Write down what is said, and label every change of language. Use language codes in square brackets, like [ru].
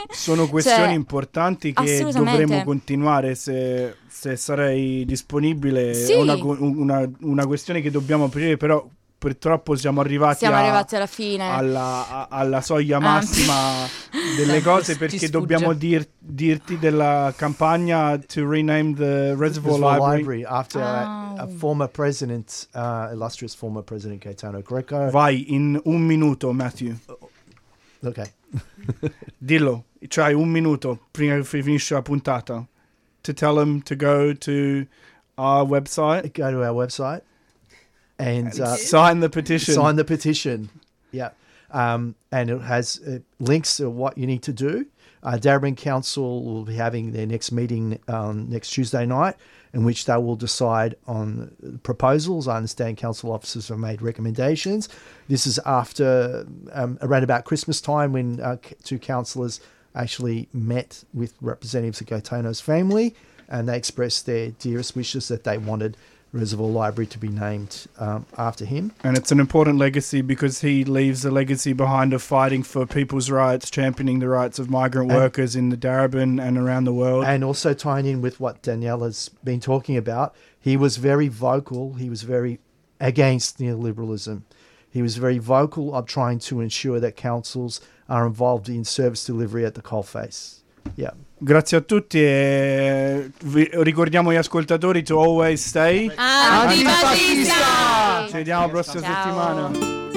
[it] Sono questioni importanti che dovremmo continuare, se sarei disponibile. Sì. Una questione che dobbiamo aprire, però purtroppo siamo arrivati alla fine. Alla soglia massima delle cose, perché dobbiamo dirti della campagna [en] to rename the Reservoir Library [it] after a former president, illustrious former president Gaetano Greco. Vai, in un minuto, Matthew. Ok. Dillo, c'hai un minuto prima che finisce la puntata. [en] To tell him to go to our website. Go to our website. And sign the petition. Yeah. And it has links to what you need to do. Darebin Council will be having their next meeting next Tuesday night, in which they will decide on proposals. I understand council officers have made recommendations. This is after around about Christmas time, when two councillors actually met with representatives of Gaetano's family, and they expressed their dearest wishes that they wanted Reservoir Library to be named after him. And it's an important legacy because he leaves a legacy behind of fighting for people's rights, championing the rights of migrant workers in the Darebin and around the world. And also tying in with what Danielle has been talking about, he was very vocal. He was very against neoliberalism. He was very vocal of trying to ensure that councils are involved in service delivery at the coalface. Yeah. [it] Grazie a tutti e ricordiamo gli ascoltatori [en] to always stay [it] antifascista. Ci vediamo prossima settimana.